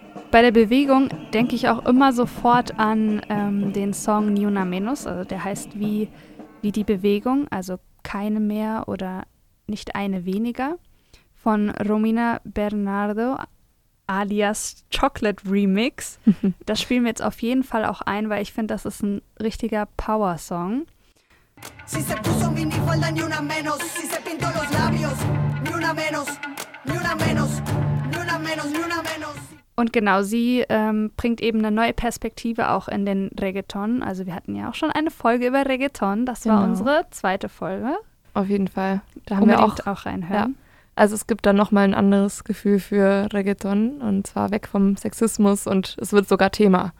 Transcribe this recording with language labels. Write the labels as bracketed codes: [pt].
[de] bei der Bewegung denke ich auch immer sofort an den Song Ni Una Menos, also der heißt wie die Bewegung, also keine mehr oder nicht eine weniger, von Romina Bernardo alias Chocolate Remix. Das spielen wir jetzt auf jeden Fall auch ein, weil ich finde, das ist ein richtiger Power-Song. [es] Si se puso mi ni falda ni una menos, si se pintó los labios, ni una menos, ni una menos, ni una menos, ni una menos. [de] Und genau, sie bringt eben eine neue Perspektive auch in den Reggaeton. Also wir hatten ja auch schon eine Folge über Reggaeton. Das war unsere zweite Folge. Auf jeden Fall. Da haben unbedingt wir auch reinhören. Ja. Also es gibt da nochmal ein anderes Gefühl für Reggaeton und zwar weg vom Sexismus und es wird sogar Thema.